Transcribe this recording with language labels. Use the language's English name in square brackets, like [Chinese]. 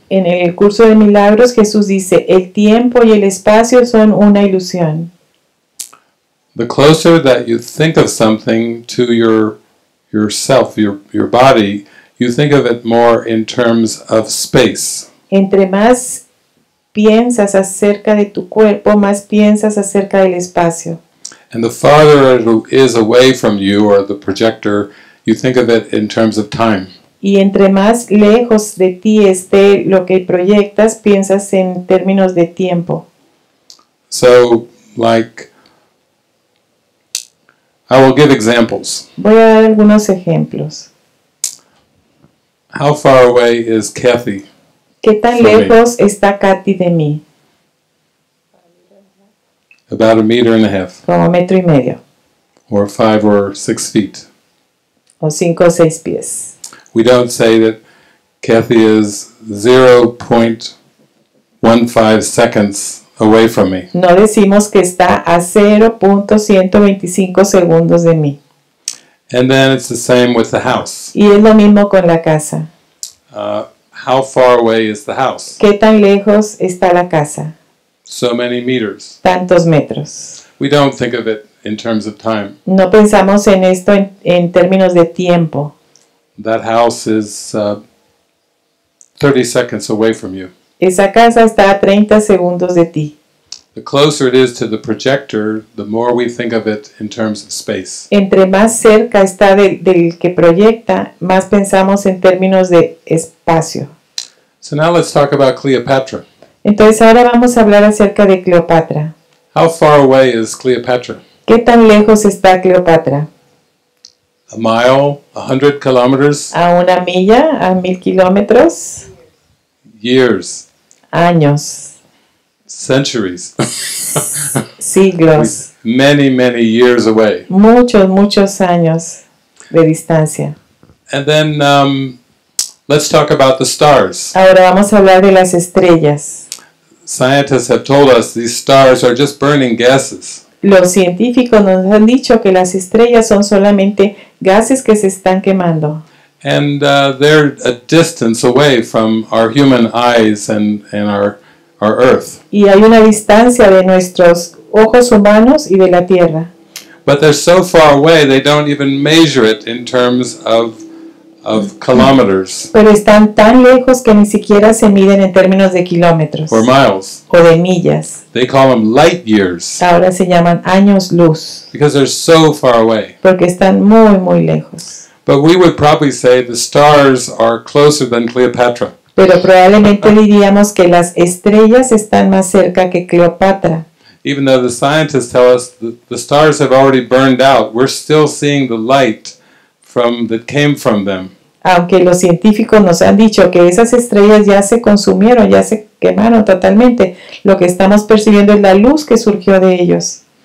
[Spanish] En el curso de milagros, Jesús dice el tiempo y el espacio son una ilusión. [English] The closer that you think of something to yourself, your body, you think of it more in terms of space. [Spanish] Entre más piensas acerca de tu cuerpo, más piensas acerca del espacio. [English] And the farther it is away from you or the projector, you think of it in terms of time. [Spanish] Y entre más lejos de ti esté lo que proyectas, piensas en términos de tiempo. [English] So, like, I will give examples. [Spanish] Voy a dar algunos ejemplos. [English] How far away is Kathy? [Spanish] ¿Qué tan lejos está Kathy de mí? [English] About a meter and a half. [Spanish] Como metro y medio. [English] Or 5 or 6 feet. [Spanish] O 5 o 6 pies. [English] We don't say that Kathy is 0.15 seconds away from me. [Spanish] No decimos que está a 0.125 segundos de mí. [English] And then it's the same with the house. [Spanish] Y es lo mismo con la casa. [English] How far away is the house? [Spanish] ¿Qué tan lejos está la casa? [English] So many meters. [Spanish] Tantos metros. [English] We don't think of it in terms of time. [Spanish] No pensamos en esto en términos de tiempo. [English] That house is 30 seconds away from you. [Spanish] Esa casa está a 30 segundos de ti. [English] The closer it is to the projector, the more we think of it in terms of space. [Spanish] Entre más cerca está del que proyecta, más pensamos en términos de espacio. [English] So now let's talk about Cleopatra. [Spanish] Entonces ahora vamos a hablar acerca de Cleopatra. [English] How far away is Cleopatra? [Spanish] ¿Qué tan lejos está Cleopatra? [English] A mile, 100 kilometers. [Spanish] A una milla, a 1,000 kilómetros. [English] Years. [Spanish] Años. [English] Centuries. [Spanish] Siglos. [English] Many, many years away. [Spanish] Muchos, muchos años de distancia. [English] And then let's talk about the stars. [Spanish] Ahora vamos a hablar de las estrellas. [English] Scientists have told us these stars are just burning gases. [Spanish] Los científicos nos han dicho que las estrellas son solamente gases que se están quemando. [English] And they're a distance away from our human eyes and our earth. [Spanish] Y hay una distancia de nuestros ojos humanos y de la Tierra. [English] But they're so far away they don't even measure it in terms of kilometers. [Spanish] Pero están tan lejos que ni siquiera se miden en términos de kilómetros. [English] Or miles. [Spanish] O de millas. [English] They call them light years. [Spanish] Ahora se llaman años luz. [English] Because they're so far away. [Spanish] Porque están muy muy lejos. [English] But we would probably say the stars are closer than Cleopatra. [Spanish] Pero probablemente diríamos que las estrellas están más cerca que Cleopatra. [English] Even though the scientists tell us that the stars have already burned out, we're still seeing the light from that came from them. [Spanish] Aunque los científicos nos han dicho que esas estrellas ya se consumieron, ya se quemaron totalmente, lo que estamos percibiendo es la luz que surgió de ellos.